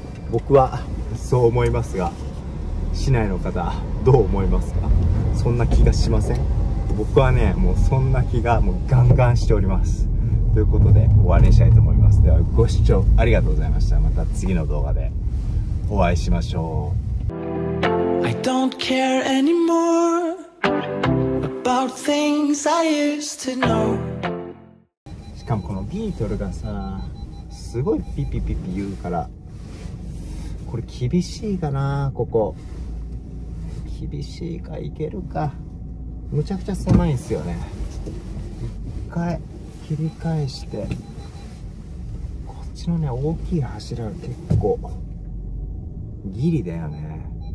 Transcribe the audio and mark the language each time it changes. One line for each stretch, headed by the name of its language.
Japanese: 僕はそう思いますが、市内の方どう思いますか。そんな気がしません。僕はねもうそんな気がもうガンガンしております。ということで終わりにしたいと思います。ではご視聴ありがとうございました。また次の動画でお会いしましょう。
English: I don't care anymore about things I used to know。
Japanese: しかもこのビートルがさ、すごいピピピピ言うから、これ厳しいかな。ここ厳しいか、いけるか。むちゃくちゃ狭いんすよね。一回切り返してこっちのね、大きい柱が結構ギリだよね。